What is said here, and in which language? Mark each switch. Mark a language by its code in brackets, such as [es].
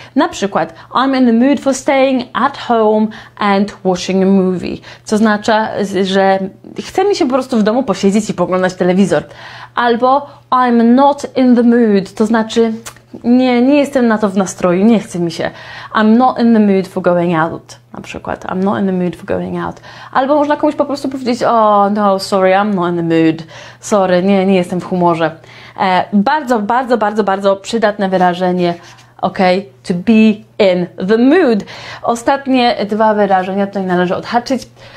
[pl] Na przykład, [en] I'm in the mood for staying at home and watching a movie. [pl] Co oznacza, że chce mi się po prostu w domu posiedzieć i poglądać telewizor. Albo [en] I'm not in the mood, [pl] to znaczy nie jestem na to w nastroju, nie chce mi się. [en] I'm not in the mood for going out. [pl] Na przykład, [en] I'm not in the mood for going out. [pl] Albo można komuś po prostu powiedzieć, [en] oh no, sorry, I'm not in the mood. [pl] Sorry, nie jestem w humorze. Bardzo, bardzo, bardzo, bardzo przydatne wyrażenie, ok? [en] To be in the mood. [pl] Ostatnie dwa wyrażenia, tutaj należy odhaczyć.